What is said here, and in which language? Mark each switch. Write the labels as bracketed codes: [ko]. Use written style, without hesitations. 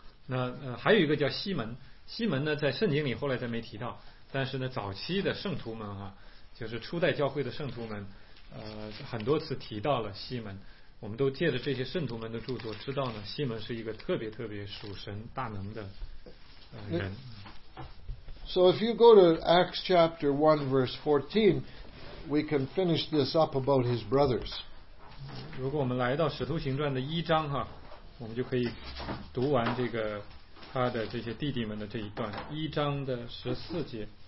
[zh] 那还有一个叫西门，西门呢在圣经里后来再没提到，但是呢早期的圣徒们啊，就是初代教会的圣徒们，很多次提到了西门。我们都借着这些圣徒们的著作知道呢，西门是一个特别特别属神大能的人。 [en] So if you go to Acts chapter 1 verse 14, we can finish this up about his brothers. [zh] 如果我们来到使徒行传的一章哈，我们就可以读完这个他的这些弟弟们的这一段，一章的十四节。